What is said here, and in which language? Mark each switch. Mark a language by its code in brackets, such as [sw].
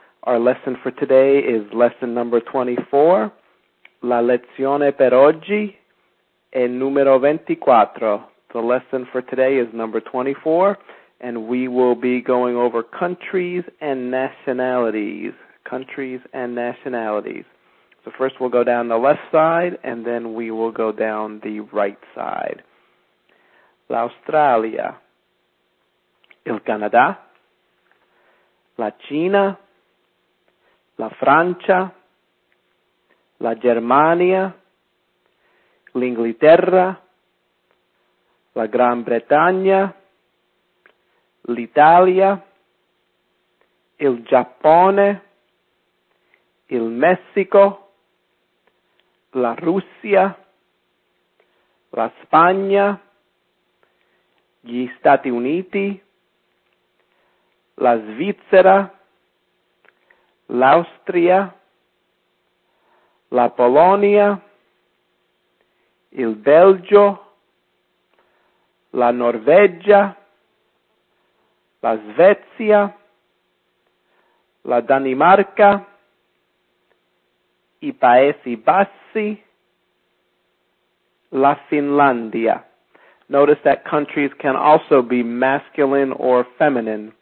[en] Our lesson for today is lesson number 24, [it] La lezione per oggi è numero 24. [en] The lesson for today is number 24, and we will be going over countries and nationalities. Countries and nationalities. So first we'll go down the left side, and then we will go down the right side. [it] L'Australia, il Canada, la Cina, la Francia, la Germania, l'Inghilterra, la Gran Bretagna, l'Italia, il Giappone, il Messico, la Russia, la Spagna, gli Stati Uniti, la Svizzera, l'Austria, la Polonia, il Belgio, la Norvegia, la Svezia, la Danimarca, i Paesi Bassi, la Finlandia. [en] Notice that countries can also be masculine or feminine.